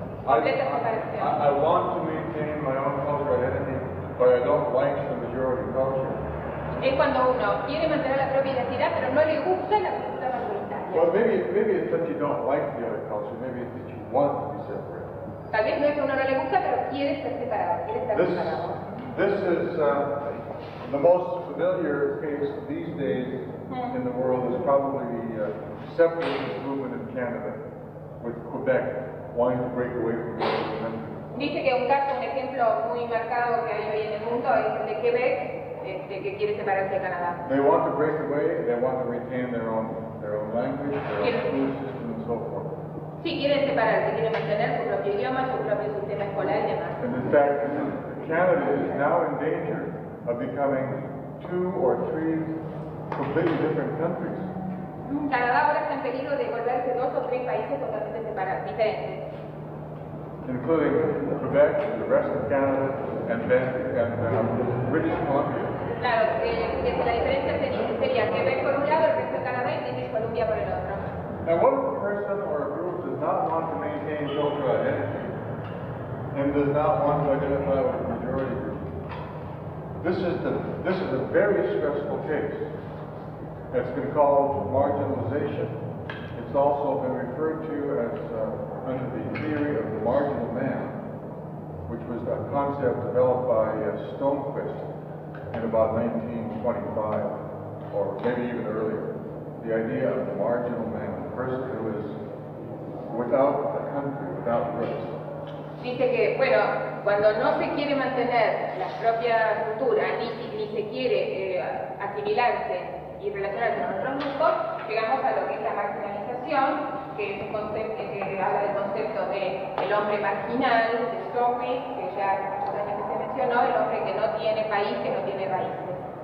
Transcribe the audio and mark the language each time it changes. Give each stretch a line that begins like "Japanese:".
English: I want to maintain my own cultural identity, but I don't like the majority culture.
Spanish: Es cuando uno quiere mantener la propia identidad, pero no le gusta la cultura majoritaria.
English: Well, maybe it's that you don't like the other culture. Maybe it's that you want to be separate.
Spanish: Tal vez no es que uno no le gusta, pero quiere ser separado. Quiere estar separado.
English: This is the most familiar case these days in the world is probably the separatist movement in Canada, with Quebec wanting to break away from the other country.
Spanish: Dice que un caso, un ejemplo muy marcado que hay hoy en el mundo es el de Quebec. Que
English: they want to break away, they want to retain their own language, their own school system, and so forth.
Spanish: Sí, quieren separarse, quieren mantener su propio idioma, su propio sistema escolar y demás.
English: And in fact, Canada is now in danger of becoming two or three completely different countries.
Spanish: Canadá ahora está en peligro de volverse dos o tres países totalmente separados, diferentes.
English: Including Quebec, the rest of Canada, and then British Columbia.
Spanish: Claro, la diferencia sería Quebec por un lado, el resto de Canadá y British Columbia por el otro.
English: Now, what if a person or a group does not want to maintain cultural identity and does not want to identify with the majority group? This is a very stressful case. It's been called marginalization. It's also been referred to as under the theory of the marginal man, which was a concept developed by Stonequist in about 1925, or maybe even earlier. The idea of the marginal man, the person who is without a country, without roots.
Spanish: Dice que, bueno, cuando no se quiere mantener la propia cultura, ni se quiere asimilarse y relacionarse con otros grupos, llegamos a lo que es la marginalización, que es un concepto que habla del concepto de el hombre marginal, de Stroke, que ya obviamente se mencionó, el hombre que no tiene país, que no tiene raíces.